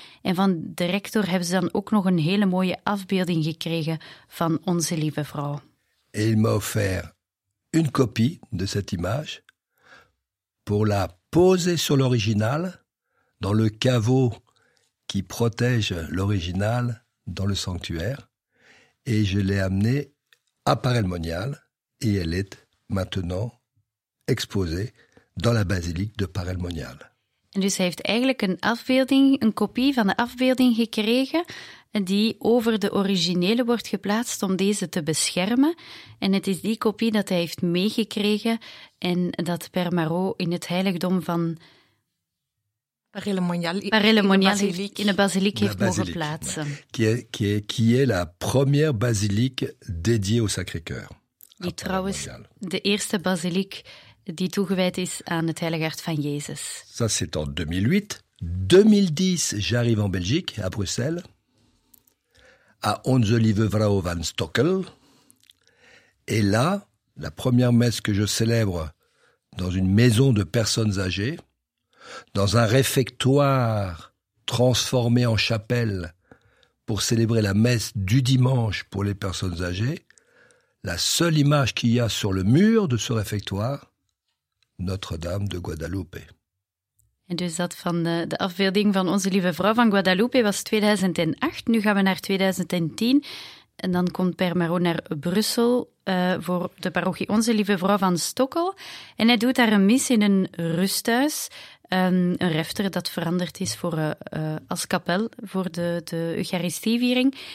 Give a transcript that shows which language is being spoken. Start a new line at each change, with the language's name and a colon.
Dutch: En van de rector hebben ze dan ook nog een hele mooie afbeelding gekregen van Onze Lieve Vrouw.
French: Et il m'a offert une copie de cette image pour la poser sur l'original dans le caveau qui protège l'original dans le sanctuaire. Et je l'ai amené à Parelmonial et elle est maintenant exposée dans la basilique de Parelmonial.
Dutch: En dus hij heeft eigenlijk een afbeelding, een kopie van de afbeelding gekregen die over de originele wordt geplaatst om deze te beschermen. En het is die kopie dat hij heeft meegekregen en dat Père Marot in het heiligdom van... Parelmonial in de basiliek heeft mogen plaatsen.
French: Qui est la première basilique dédiée au Sacré-Cœur.
Dutch: Die trouwens de eerste basiliek die toegewijd is aan het Heilige Hart van Jezus.
French: Ça, c'est en 2008. 2010, j'arrive en Belgique, à Bruxelles, à Onze Lieve Vrouw van Stokkel. Et là, la première messe que je célèbre dans une maison de personnes âgées, dans un réfectoire transformé en chapelle pour célébrer la messe du dimanche pour les personnes âgées, la seule image qu'il y a sur le mur de ce réfectoire, Notre-Dame de Guadeloupe.
Dutch: En dus dat van de afbeelding van Onze Lieve Vrouw van Guadeloupe was 2008. Nu gaan we naar 2010. En dan komt Père Marot naar Brussel voor de parochie Onze Lieve Vrouw van Stokkel. En hij doet daar een mis in een rusthuis. Een refter dat veranderd is voor, als kapel voor de eucharistieviering.